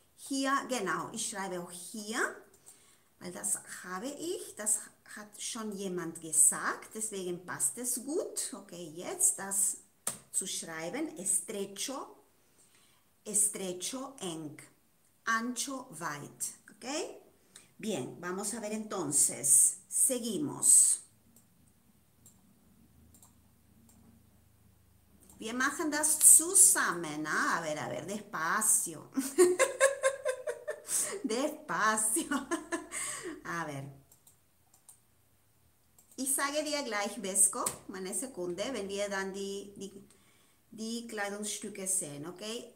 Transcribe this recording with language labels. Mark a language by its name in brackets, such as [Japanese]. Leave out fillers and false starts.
[German] Hier, genau, ich schreibe auch hier, weil das habe ich, das hat schon jemand gesagt, deswegen passt es gut. Okay, jetzt das zu schreiben, estrecho, estrecho, eng, ancho, weit. [Spanish] Okay, bien, vamos a ver entonces, seguimos. [German] Wir machen das zusammen, ¿no? [Spanish] A ver, despacio. Despacio. A ver. [German] Ich sage dir gleich, Vesco, eine Sekunde, wenn wir dann die Kleidungsstücke sehen, okay?